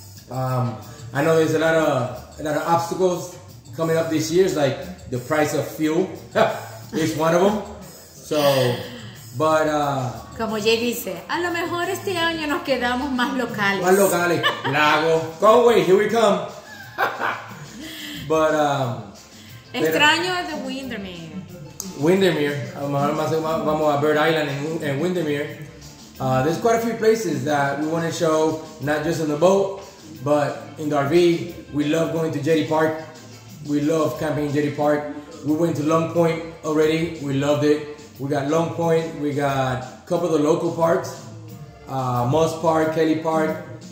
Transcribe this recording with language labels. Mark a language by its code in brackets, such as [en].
[en] I know there's a lot of obstacles coming up this year, like the price of fuel is one of them. So, but... [es] Como Jay dice, a lo mejor este año nos quedamos más locales. Más locales. Lago. [en] Conway, here we come. But, [es] extraño es de Windermere. Windermere, a lo mejor más vamos a Bird Island en Windermere. [en] There's quite a few places that we want to show, not just on the boat, but in the RV. We love going to Jetty Park. We love camping in Jetty Park. We went to Long Point already. We loved it. We got Long Point. We got a couple of the local parks. Moss Park, Kelly Park.